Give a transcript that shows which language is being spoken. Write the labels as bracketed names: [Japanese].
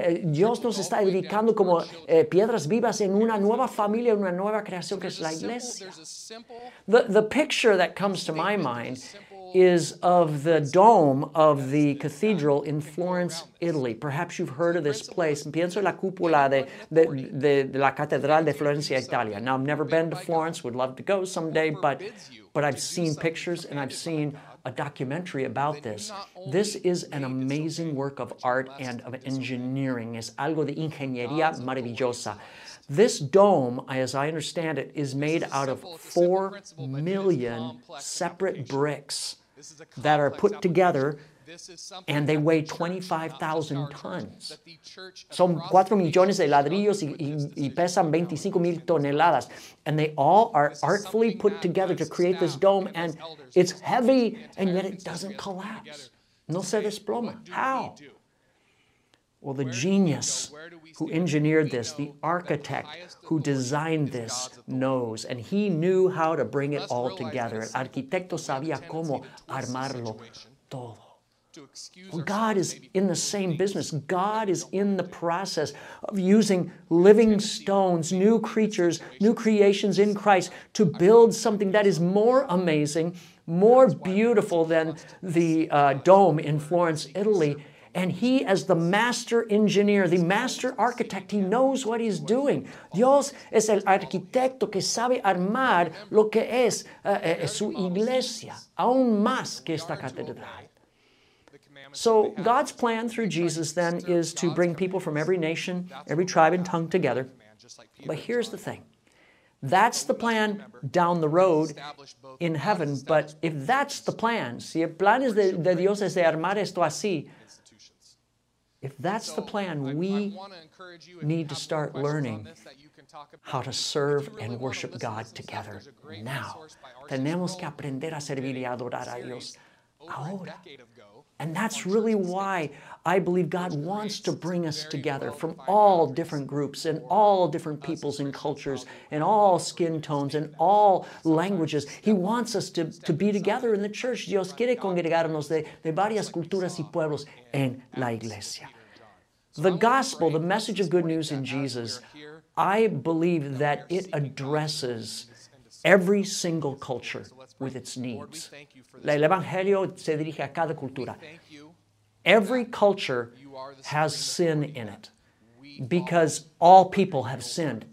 [Spanish] Dios nos está edificando como piedras vivas en una nueva familia, una nueva creación que es la iglesia. [English] The picture that comes to my mind is of the dome of the cathedral in Florence, Italy. Perhaps you've heard of this place. [Spanish] Pienso la cúpula de la catedral de Florencia, Italia. [English] Now, I've never been to Florence, would love to go someday, but I've seen pictures and I've seen a documentary about this. This is an amazing work of art and of engineering. [Spanish] Es algo de ingeniería maravillosa. [English] This dome, as I understand it, is made out of 4 million separate bricks that are put together, and they weigh 25,000 tons. [Spanish] Son 4 millones de ladrillos y pesan 25 mil toneladas. [English] And they all are artfully put together to create this dome, and it's heavy, and yet it doesn't collapse. [Spanish] No se desploma. [English] How? Well, the genius who engineered this, the architect who designed this, knows, and he knew how to bring it all together. [Spanish] El arquitecto sabía cómo armarlo todo. [English] Well, God is in the same business. God is in the process of using living stones, new creatures, new creations in Christ to build something that is more amazing, more beautiful than the dome in Florence, Italy. And he, as the master engineer, the master architect, he knows what he's doing. [Spanish] Dios es el arquitecto que sabe armar lo que es su iglesia, aún más que esta catedral. [English] So God's plan through Jesus then is to bring people from every nation, every tribe and tongue together. But here's the thing. That's the plan down the road in heaven. But if that's the plan, [Spanish] si el plan es de Dios es de armar esto así, [English] if that's the plan, we need to start learning how to serve and worship God together now. [Spanish] Tenemos que aprender a servir y adorar a Dios ahora. [English] And that's really why I believe God wants to bring us together from all different groups and all different peoples and cultures and all skin tones and all languages. He wants us to be together in the church. [Spanish] Dios quiere congregarnos de varias culturas y pueblos en la iglesia. [English] The gospel, the message of good news in Jesus, I believe that it addresses every single culture with its needs. [Spanish] El Evangelio se dirige a cada cultura. [English] Every culture has sin in it because all people have sinned.